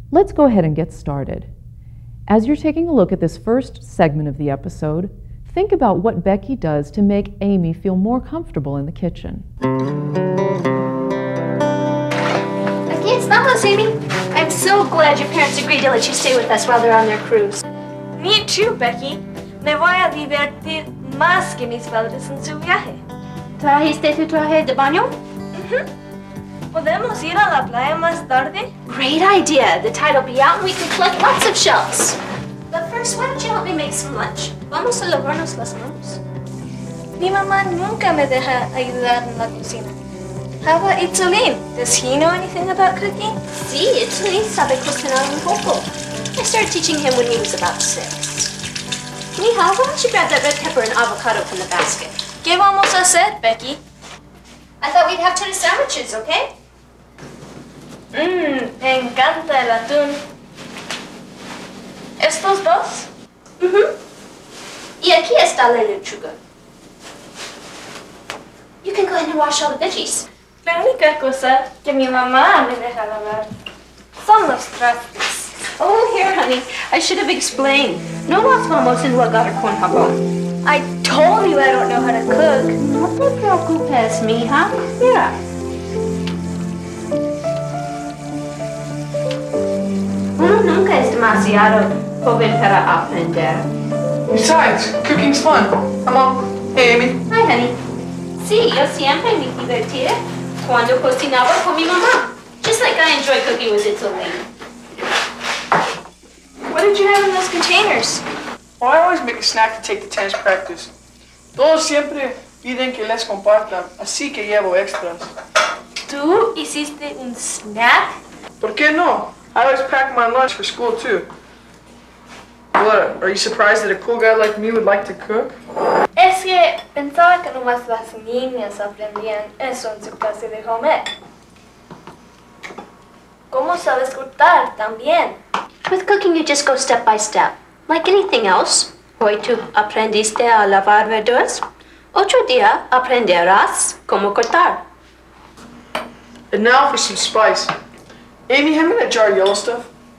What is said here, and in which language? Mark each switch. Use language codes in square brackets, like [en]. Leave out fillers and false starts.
[en] Let's go ahead and get started. As you're taking a look at this first segment of the episode, think about what Becky does to make Amy feel more comfortable in the kitchen. I can't smell this, Amy. I'm so glad your parents agreed to let you stay with us while they're on their cruise. Me too, Becky. [es] Me voy a divertir más que mis padres en su viaje. ¿Trajiste tu traje de baño? Mm-hmm. ¿Podemos ir a la playa más tarde? [en] Great idea. The tide will be out and we can collect lots of shells. But first, why don't you help me make some lunch? [es] Vamos a lavarnos las manos. Mi mamá nunca me deja ayudar en la cocina. [en] How about Itzolín? Does he know anything about cooking? [es] Sí, Itzolín sabe cocinar un poco. [en] I started teaching him when he was about six. Mija, why don't you grab that red pepper and avocado from the basket? [es] ¿Qué vamos a hacer, Becky? [en] I thought we'd have tuna sandwiches, okay? [es] Mmm, me encanta el atún. ¿Estos dos? Mm-hmm. Y aquí está la lechuga. [en] You can go ahead and wash all the veggies. [es] La única cosa que mi mamá me deja lavar son los trastes. [en] Oh, here, honey. I should have explained. [es] No las vamos en lugar con jabón. [en] I told you I don't know how to cook. [es] No te preocupes, mija. Mira. Uno nunca es demasiado joven para aprender. [en] Besides, cooking's fun. Come on. Hey, Amy. Hi, honey. [es] Sí, yo siempre me divertía cuando cocinaba con mi mamá. [en] Just like I enjoy cooking with Itzolín. What did you have in those containers? Well, I always make a snack to take to tennis practice. [es] Todos siempre piden que les compartan, así que llevo extras. ¿Tú hiciste un snack? ¿Por qué no? [en] I always pack my lunch for school, too. What, are you surprised that a cool guy like me would like to cook? [es] Es que pensaba que nomás las niñas aprendían eso en su clase de home ec. ¿Cómo sabes cortar también? [en] With cooking, you just go step by step, like anything else. [es] Hoy tú aprendiste a lavar verduras. Otro día aprenderás cómo cortar. [en] And now for some spice. Amy, hand me that jar of yellow stuff.